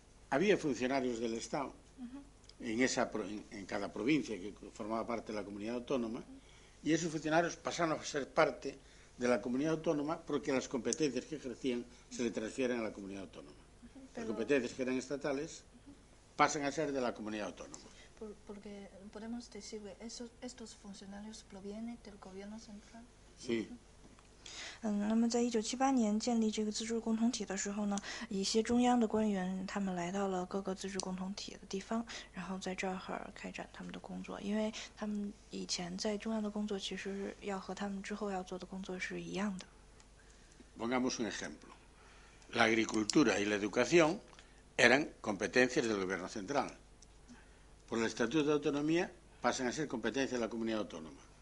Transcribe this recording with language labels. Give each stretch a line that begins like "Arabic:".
Spanish: Había funcionarios del Estado en cada provincia que formaba parte de la comunidad autónoma y esos funcionarios pasaron a ser parte de la comunidad autónoma porque las competencias que ejercían se le transfieren a la comunidad autónoma. Las competencias que eran estatales pasan a ser de la comunidad autónoma. Porque podemos decir que estos funcionarios provienen del gobierno central. Sí.
Chinese: 那么在1978年建立这个自治共同体的时候呢，一些中央的官员他们来到了各个自治共同体的地方，然后在这儿开展他们的工作，因为他们以前在中央的工作其实要和他们之后要做的工作是一样的。
Spanish: Pongamos un ejemplo. La agricultura y la educación eran competencias del gobierno central. Por el Estatuto de Autonomía pasan a ser competencias de la comunidad autónoma.